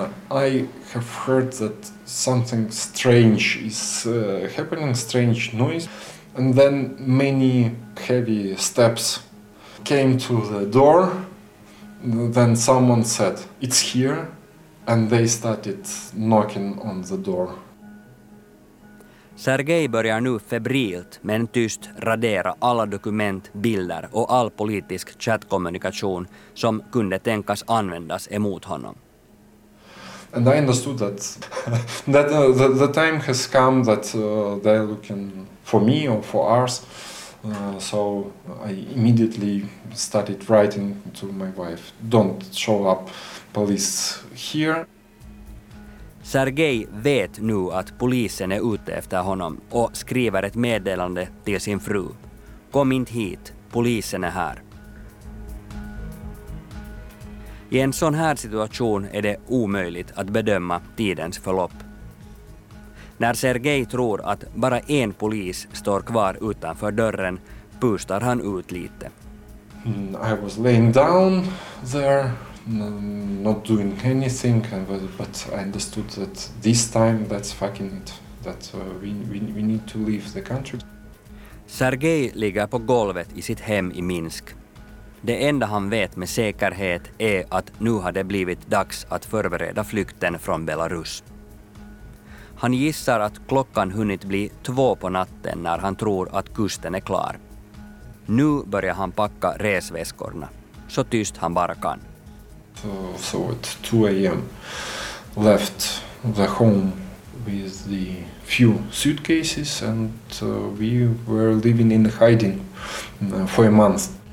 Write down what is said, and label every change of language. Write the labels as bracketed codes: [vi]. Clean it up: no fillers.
[en] I have heard that something strange is happening, strange noise, and then many heavy steps came to the door. Then someone said, it's here, and they started knocking on the door. [sv] Sergej börjar nu febrilt men tyst radera alla dokument, bilder och all politisk chattkommunikation som kunde tänkas användas emot honom. [en] And I understood that the time has come that they're looking for me or for us. So I immediately started writing to my wife, don't show up police here. [sv] Sergej vet nu att polisen är ute efter honom och skriver ett meddelande till sin fru. Kom inte hit, polisen är här. I en sån här situation är det omöjligt att bedöma tidens förlopp. När Sergej tror att bara en polis står kvar utanför dörren, pustar han ut lite. [en] I was laying down there, not doing anything, but I understood that this time that's fucking it, that we need to leave the country. [sv] Sergej ligger på golvet i sitt hem i Minsk. Det enda han vet med säkerhet är att nu har det blivit dags att förbereda flykten från Belarus. Han gissar att klockan hunnit bli 2 på natten när han tror att kusten är klar. Nu börjar han packa resväskorna, så tyst han bara kan. [en] So at 2 a.m. left the home with the few suitcases and we were living in hiding for a month.